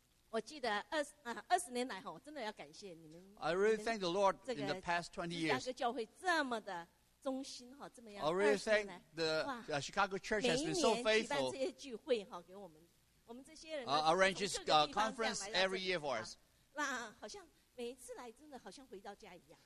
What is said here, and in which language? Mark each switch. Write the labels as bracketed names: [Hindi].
[Chinese] 我记得二十年来哈，我真的要感谢你们。 [English] I really thank the Lord in the past 20 years. [Chinese] 芝加哥教会这么的忠心哈，这么样。 [English] I really thank the Chicago Church has been so faithful. [Chinese] 每一年举办这些聚会哈，给我们这些人。 [English] Arranges conference every year for us. [Chinese] 那好像。每一次来真的好像回到家一样。